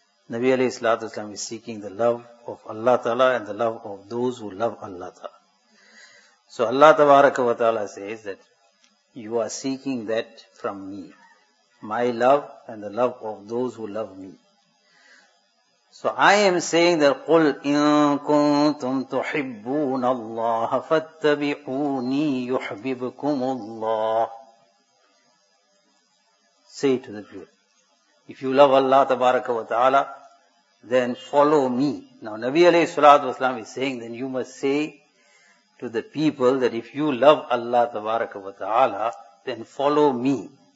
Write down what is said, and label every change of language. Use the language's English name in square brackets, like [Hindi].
[English] Nabi alayhi salatu wasalam is seeking the love of Allah Ta'ala and the love of those who love Allah Ta'ala. So Allah Tabaraka wa Ta'ala says that you are seeking that from me. My love and the love of those who love me. So I am saying that [Arabic] قُلْ إِن كُنْتُمْ تُحِبُّونَ اللَّهَ فَاتَّبِعُونِي يُحْبِبْكُمُ اللَّهِ. [English] Say to the people, if you love Allah Tabaraka wa Ta'ala, then follow me. Now Nabi alayhi salatu wasalam is saying, then you must say to the people that if you love Allah Tabaraka wa Ta'ala, then follow me.